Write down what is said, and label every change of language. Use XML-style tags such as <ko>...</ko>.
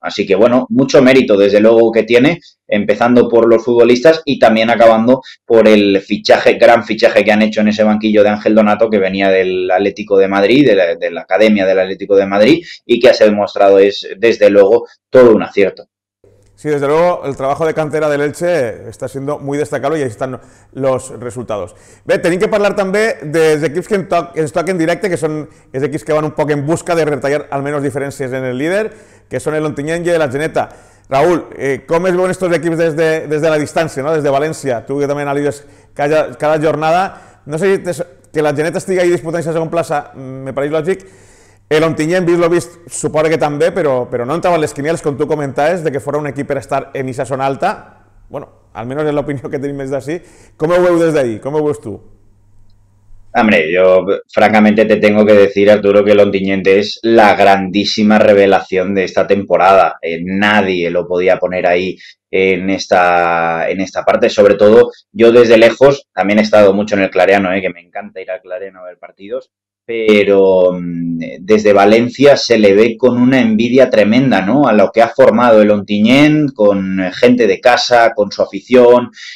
<es>Así que bueno, mucho mérito desde luego que tiene, empezando por los futbolistas y también acabando por el fichaje, gran fichaje que han hecho en ese banquillo de Ángel Donato, que venía del Atlético de Madrid, de la Academia del Atlético de Madrid, y que ha demostrado es desde luego todo un acierto. Sí, desde luego el trabajo de cantera del Elche está siendo muy destacable y ahí están los resultados.</es> <ca>Bé, tenim que parlar també dels equips que ens toquen en directe, que són els equips que van un poc en busca de retallar almenys diferències en el líder, que són l'Ontinyent i l'Atzeneta. Raül, com es veuen aquests equips des de la distància, no? Des de València? Tu que també analitzes cada jornada, no sé si que l'Atzeneta estigui ahí disputant la segona plaça, me pareix lògic. El Ontinyent, vist lo vist, suposo que també, però no entrava en les quinieles, com tu comentaves, de que fora un equip per estar en aquesta zona alta. Bueno, almenys és l'opinió que tenim més d'ací. Com ho veus des d'ahí? Com ho veus tu?</ca> <es>Hombre, yo francamente te tengo que decir, Arturo, que el Ontinyent es la grandísima revelación de esta temporada. Nadie lo podía poner ahí en esta parte. Sobre todo, yo desde lejos, también he estado mucho en el Clariano, que me encanta ir al Clariano a ver partidos, pero desde Valencia se le ve con una envidia tremenda, ¿no? A lo que ha formado el Ontinyent, con gente de casa, con su afición.</es>